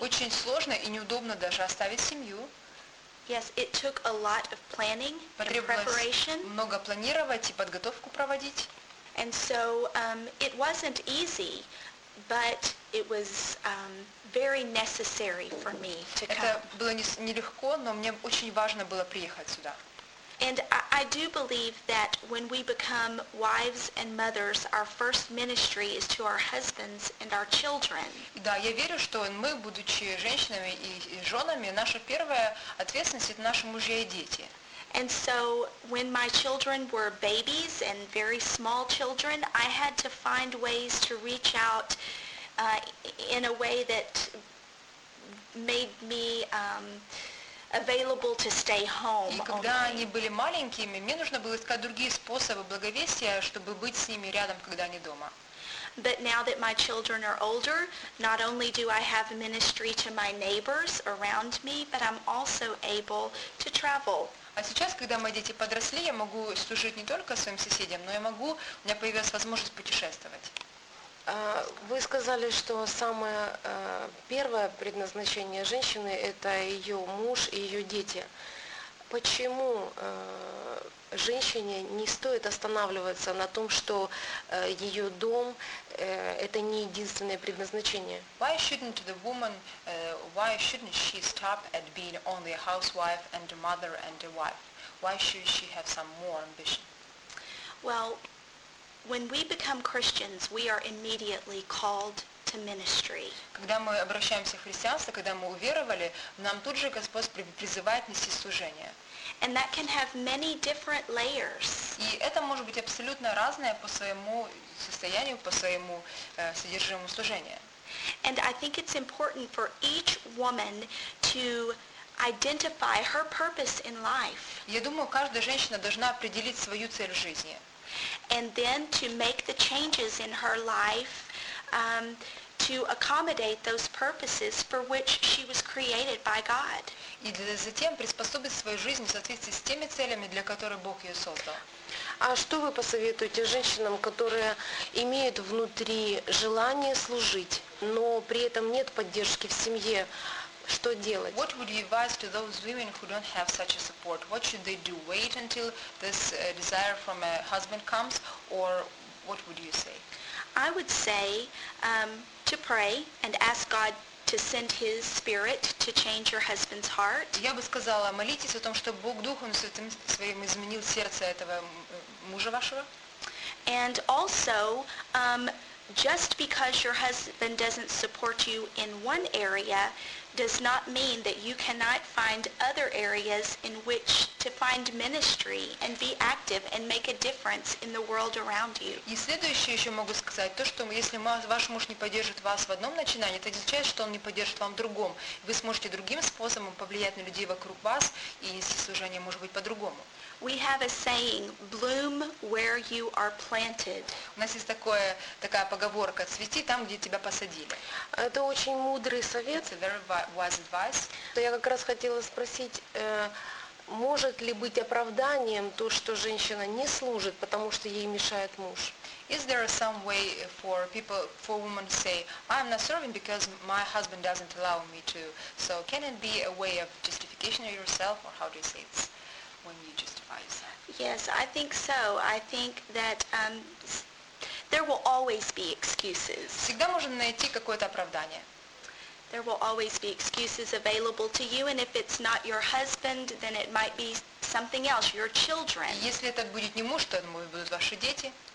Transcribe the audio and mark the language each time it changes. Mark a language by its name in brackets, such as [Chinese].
[Russian] Очень сложно и неудобно даже оставить семью. [English] Yes, it took a lot of planning and preparation. [Russian] Много планировать и подготовку проводить. [English] And so it wasn't easy, but it was very necessary for me to come. [Russian] Это было нелегко, но мне очень важно было приехать сюда. [English] And I do believe that when we become wives and mothers, our first ministry is to our husbands and our children. [Russian] Да, я верю, что мы, будучи женщинами и женами, наша первая ответственность — это наши мужья и дети. [English] And so when my children were babies and very small children, I had to find ways to reach out in a way that made me available to stay home. [Russian] И когда они были маленькими, мне нужно было искать другие способы благовестия, чтобы быть с ними рядом, когда они дома. [English] But now that my children are older, not only do I have ministry to my neighbors around me, but I'm also able to travel. [Russian] А сейчас, когда мои дети подросли, я могу служить не только своим соседям, но я могу, у меня появилась возможность путешествовать. Вы сказали, что самое первое предназначение женщины – это ее муж и ее дети. Почему женщине не стоит останавливаться на том, что ее дом – это не единственное предназначение? [English] Why shouldn't the woman, why shouldn't she stop at being only a housewife and a mother and a wife? Why should she have some more ambition? Well, when we become Christians, we are immediately called to ministry. [Russian] Когда мы обращаемся в христианство, когда мы уверовали, нам тут же Господь призывает нести служение. [English] And that can have many different layers. [Russian] И это может быть абсолютно разное по своему состоянию, по своему содержимому служения. [English] And I think it's important for each woman to identify her purpose in life. [Russian] Я думаю, каждая женщина должна определить свою цель в жизни. [English] And then to make the changes in her life to accommodate those purposes for which she was created by God. [Russian] И затем приспособить свою жизнь в соответствии с теми целями, для которых Бог ее создал. А что вы посоветуете женщинам, которые имеют внутри желание служить, но при этом нет поддержки в семье? Что делать? [English] What would you advise to those women who don't have such a support? What should they do? Wait until this desire from a husband comes? Or what would you say? I would say to pray and ask God to send His Spirit to change your husband's heart. [Russian] Я бы сказала, молитесь о том, чтобы Бог Духом Своим изменил сердце этого мужа вашего. [English] And also, just because your husband doesn't support you in one area does not mean that you cannot find other areas in which to find ministry and be active and make a difference in the world around you. [Russian] И следующее еще могу сказать, то, что если ваш муж не поддержит вас в одном начинании, это означает, что он не поддержит вам в другом. Вы сможете другим способом повлиять на людей вокруг вас и нести служение, может быть, по-другому. [English] We have a saying, bloom where you are planted. [Russian] У нас есть такая поговорка, цвети там, где тебя посадили. Это очень мудрый совет. [English] It's a very wise advice. [Russian] То я как раз хотела спросить, может ли быть оправданием то, что женщина не служит, потому что ей мешает муж? [English] Is there some way for people, for women to say, I'm not serving because my husband doesn't allow me to? So can it be a way of justification of yourself, or how do you say it when you justify yourself? Yes, I think so. I think that there will always be excuses. [Russian] Всегда можно найти какое-то оправдание. [English] There will always be excuses available to you, and if it's not your husband, then it might be something else, your children. [Russian] Если это будет не муж, то это могут быть ваши дети.